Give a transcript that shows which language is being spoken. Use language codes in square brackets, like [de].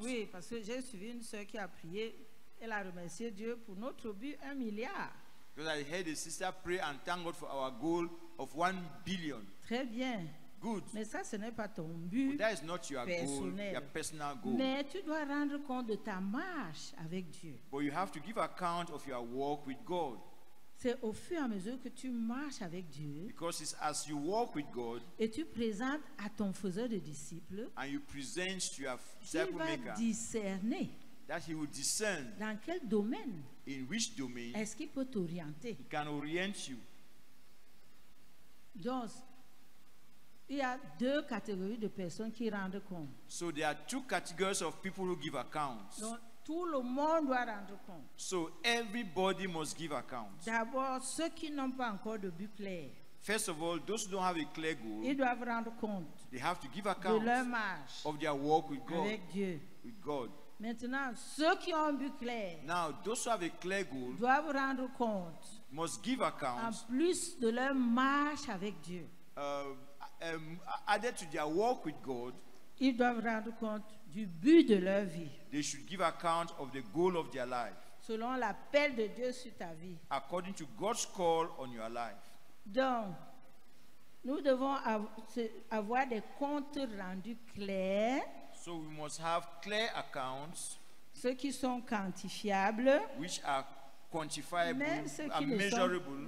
[fr] Oui, parce que j'ai suivi une sœur qui a prié. Elle a remercié Dieu pour notre but, 1 milliard. [en] Because I heard a sister pray and thank God for our goal of 1 billion. [fr] Très bien. [en] Good. [fr] Mais ça, ce n'est pas ton but. [en] But that is not your [fr] personnel. [en] Goal, your personal goal. [fr] Mais tu dois rendre compte de ta marche avec Dieu. [en] But you have to give account of your walk with God. [fr] C'est au fur et à mesure que tu marches avec Dieu. [en] Because it's as you walk with God. [fr] Et tu présentes à ton faiseur de disciples. [en] And you present to your disciple maker. [fr] Qui va discerner. [en] That he will discern. [fr] Dans quel domaine? [en] In which domain? [fr] Est-ce qu'il peut t'orienter? [en] He can orient you. [fr] Donc, il y a deux catégories de personnes qui rendent compte. [en] So there are two categories of people who give accounts. [fr] Donc, tout le monde doit rendre compte. [en] So everybody must give accounts. [fr] D'abord, ceux qui n'ont pas encore de but clair. [en] First of all, those who don't have a clear goal. [fr] Ils doivent rendre compte. [en] They have to give accounts. [fr] De leur marche. [en] Of their walk with God. [fr] Avec Dieu. [en] With God. [fr] Maintenant, ceux qui ont un but clair, [en] now, those who have a clear goal, [fr] doivent rendre compte, [en] must give account, [fr] en plus de leur marche avec Dieu, [en] added to their walk with God, [fr] ils doivent rendre compte du but de leur vie. [en] They should give account of the goal of their life, [fr] selon l'appel de Dieu sur ta vie, [en] according to God's call on your life. [fr] Donc, nous devons avoir des comptes rendus clairs. [en] So we must have clear accounts, [fr] ceux qui sont quantifiables, [en] which are quantifiable and measurable.